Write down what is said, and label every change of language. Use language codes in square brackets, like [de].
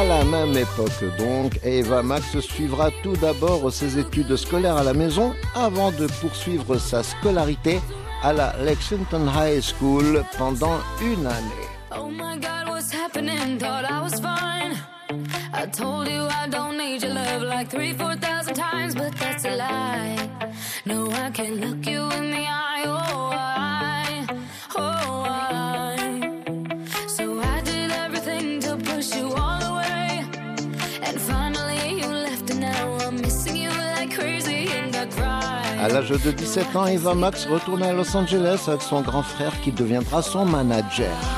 [fr] même époque donc, Eva Max suivra tout d'abord ses études scolaires à la maison avant de poursuivre sa scolarité à la Lexington High School pendant une année. [en] Oh my God, what's happening? Thought I was fine. I told you I don't need your love like 3,000-4,000 times, but that's a lie. No, I can look you in the eye. Oh, I. So I did everything to push you all away, and finally you left, and now I'm missing you like crazy, and I cry. [fr] À l'âge de 17 ans, Eva Max retourne à Los Angeles avec son grand frère qui deviendra son manager.